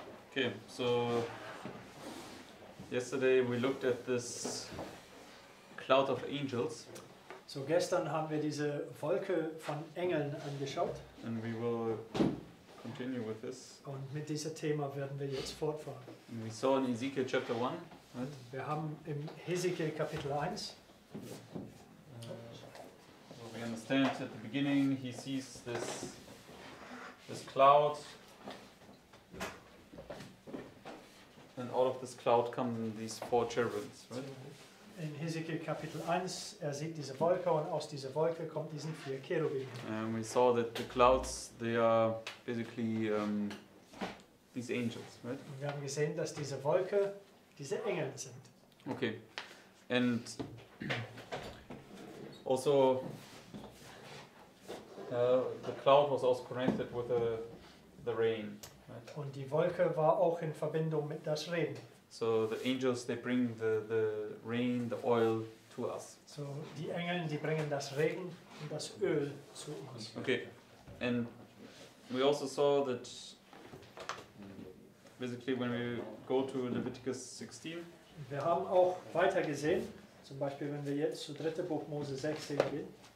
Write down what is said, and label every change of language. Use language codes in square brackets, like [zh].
[en] Okay, so yesterday we looked at this cloud of angels. [de] So gestern haben wir diese Wolke von Engeln angeschaut. [en] And we will continue with this. [de] Und mit diesem Thema werden wir jetzt fortfahren. [en] And we saw in Ezekiel chapter 1, right? [de] Wir haben im Ezekiel Kapitel 1. [en] So we understand at the beginning he sees this cloud. And out of this cloud come these four cherubims, right? [de] In Ezekiel Kapitel 1, er sieht diese Wolke und aus dieser Wolke kommt diesen vier Cherubim. [en] We saw that the clouds, they are basically these angels, right? [de] Und wir haben gesehen, dass diese Wolke diese Engel sind. [en] Okay. And also the cloud was also connected with the rain, right? [de] Und die Wolke war auch in Verbindung mit das Regen. [en] So the angels, they bring the rain, the oil to us. [de] So die Engel, die bringen das Regen und das Öl zu uns. [en] Okay, and we also saw that basically when we go to Leviticus 16. [de] Wir haben auch weiter gesehen, zum Beispiel wenn wir jetzt zu dritte Buch Mose 16 gehen.